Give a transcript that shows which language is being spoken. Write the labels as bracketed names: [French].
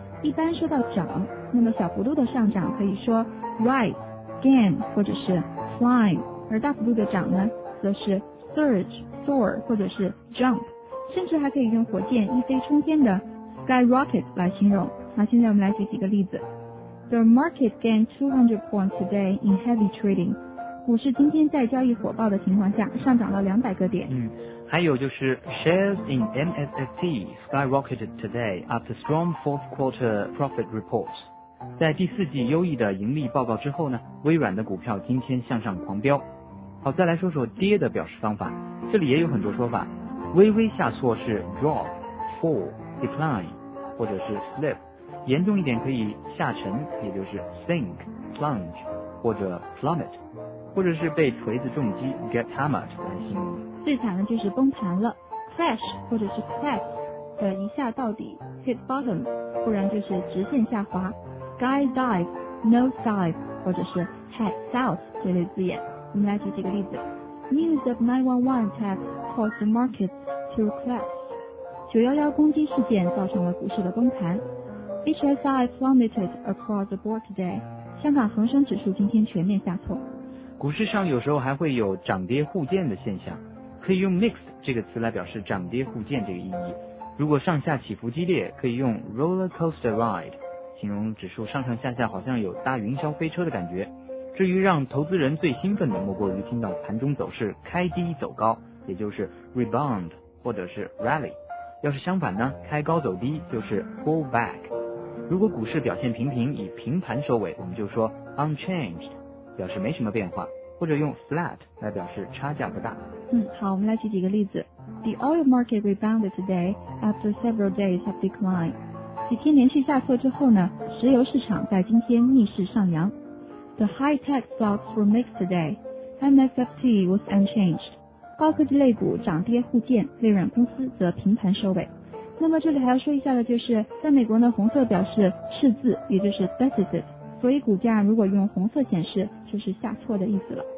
[Chinese] 一般说到涨，那么小幅度的上涨可以说 rise, gain 或者是 climb， 而大幅度的涨呢，则是 surge, soar 或者是 jump， 甚至还可以用火箭一飞冲天的 skyrocket 来形容。那现在我们来举几个例子。 [English] The market gained 200 points today in heavy trading. [Chinese] 股市今天在交易火爆的情况下上涨了200个点。嗯，还有就是 [English] shares in MSST skyrocketed today after strong fourth quarter profit reports. [Chinese] 在第四季优异的盈利报告之后呢，微软的股票今天向上狂飙。好，再来说说跌的表示方法，这里也有很多说法。微微下挫是 drop, fall, decline, 或者是 slip。严重一点可以下沉，也就是 sink, plunge, 或者 plummet, 或者是被锤子重击 [English] get hammered [Chinese] 来形容。最惨的就是崩盘了 crash, 或者是 crash, 一下到底 [English] hit bottom, [Chinese] 不然就是直线下滑 [English] sky dive, nose dive, [Chinese] 或者是 [English] head south [Chinese] 这类字眼。我们来举几个例子。 [English] News of 911 attack caused the market to crash. [Chinese] 911攻击事件造成了股市的崩盘。 [English] HSI plummeted across the board today. [Chinese] 香港恒生指数今天全面下挫。股市上有时候还会有涨跌互见的现象，可以用 mixed 这个词来表示涨跌互见这个意义。如果上下起伏激烈，可以用 [English] roller coaster ride [Chinese] 形容指数上上下下好像有搭云霄飞车的感觉。至于让投资人最兴奋的，莫过于听到盘中走势开低走高，也就是 rebound 或者是 rally。要是相反呢，开高走低就是 [English] pull back。 [Chinese] 如果股市表现平平，以平盘收尾，我们就说 unchanged， 表示没什么变化，或者用 flat 来表示差价不大。嗯，好，我们来举几个例子。 [English] The oil market rebounded today after several days of decline. [Chinese] 几天连续下挫之后呢，石油市场在今天逆势上扬。 [English] The high tech stocks were mixed today. MSFT was unchanged. [Chinese] 高科技类股涨跌互见，微软公司则平盘收尾。那么这里还要说一下的就是，在美国呢，红色表示赤字，也就是 deficit， 所以股价如果用红色显示，就是下挫的意思了。